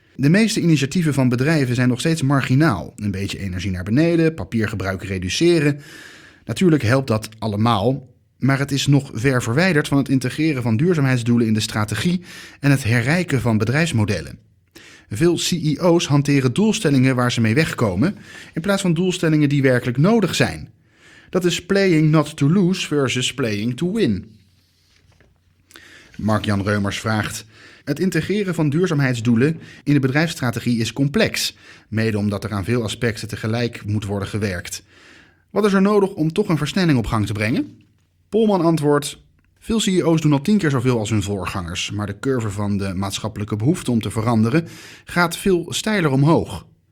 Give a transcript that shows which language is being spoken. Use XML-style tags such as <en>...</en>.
<nl>De meeste initiatieven van bedrijven zijn nog steeds marginaal. Een beetje energie naar beneden, papiergebruik reduceren. Natuurlijk helpt dat allemaal, maar het is nog ver verwijderd van het integreren van duurzaamheidsdoelen in de strategie en het herrijken van bedrijfsmodellen. Veel CEO's hanteren doelstellingen waar ze mee wegkomen, in plaats van doelstellingen die werkelijk nodig zijn. Dat is</nl> <en>playing not to lose versus playing to win.</en> <nl>Mark-Jan Reumers vraagt: het integreren van duurzaamheidsdoelen in de bedrijfsstrategie is complex, mede omdat er aan veel aspecten tegelijk moet worden gewerkt. Wat is er nodig om toch een versnelling op gang te brengen? Polman antwoordt: veel CEO's doen al 10 keer zoveel als hun voorgangers, maar de curve van de maatschappelijke behoefte om te veranderen gaat veel steiler omhoog.</nl>